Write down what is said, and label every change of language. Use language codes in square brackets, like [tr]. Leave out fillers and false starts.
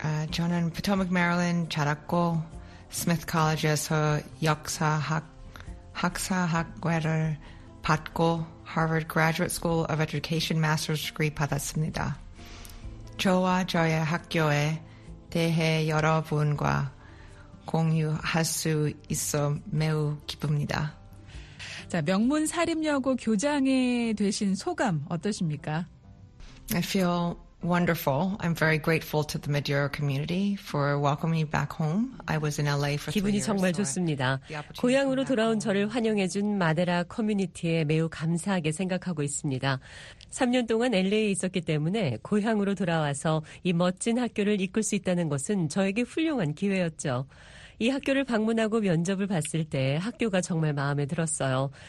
[ko] 저는 포토믹 메릴랜드 자랐고 스미스 칼리지에서 역사학과를 받고 하버드 그래듀에이트 스쿨 오브 에듀케이션 [en] 마스터스 디그리 [ko] 받았습니다. 저와 저의 학교에 대해 여러분과 공유할 수 있어 매우 기쁩니다. 자, 명문 사립여고 교장이 되신 소감 어떠십니까? [en] I feel wonderful. I'm very grateful to the Madeira community for welcoming me back home. I was in LA for 3 years. [ko] 기분이 정말 좋습니다. 고향으로 돌아온 저를 환영해준 마데라 커뮤니티에 매우 감사하게 생각하고 있습니다. 3년 동안 LA에 있었기 때문에 고향으로 돌아와서 이 멋진 학교를 이끌 수 있다는 것은 저에게 훌륭한 기회였죠. 이 학교를 방문하고 면접을 봤을 때 학교가 정말 마음에 들었어요.